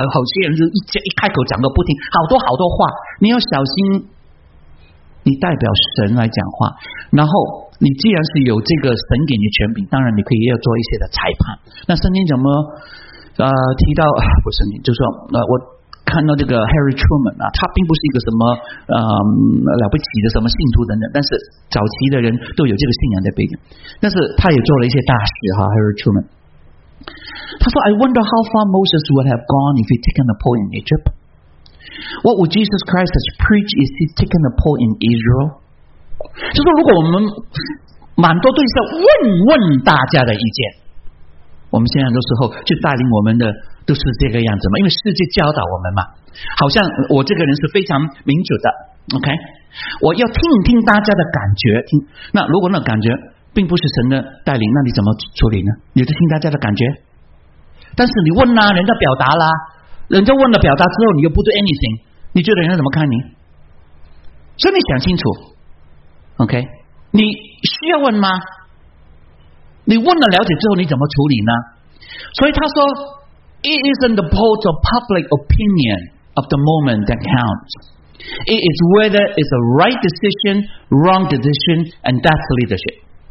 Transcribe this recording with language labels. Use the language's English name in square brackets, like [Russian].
[Chinese] 好些人就 一开口讲个不停，好多好多话，你要小心你代表神来讲话，然后你既然是有这个神给你的权柄，当然你可以要做一些的裁判。那圣经怎么提到不是圣经，就是说我看到这个 Harry Truman 啊，他并不是一个什么了不起的什么信徒等等，但是早期的人都有这个信仰的背景，但是他也做了一些大事哈。 [English] Harry Truman [Chinese] 他说 [English] I wonder how far Moses would have gone if he'd taken a pole in Egypt. What would Jesus Christ have preached if he'd taken a pole in Israel? [Chinese] 就是如果我们蛮多对象问大家的意见，我们现在很多时候就带领我们的都是这个样子嘛，因为世界教导我们嘛，好像我这个人是非常民主的 OK， 我要听一听大家的感觉，听那如果那感觉并不是神的带领，那你怎么处理呢？你就听大家的感觉，但是你问啦、啊、人家表达啦，人家问了表达之后你又不对 anything， 你觉得人家怎么看你？所以你想清楚OK， 你需要问吗？你问了了解之后你怎么处理呢？所以他说 [English] It isn't the polls of public opinion of the moment that counts. It is whether it's a right decision, wrong decision, and that's leadership.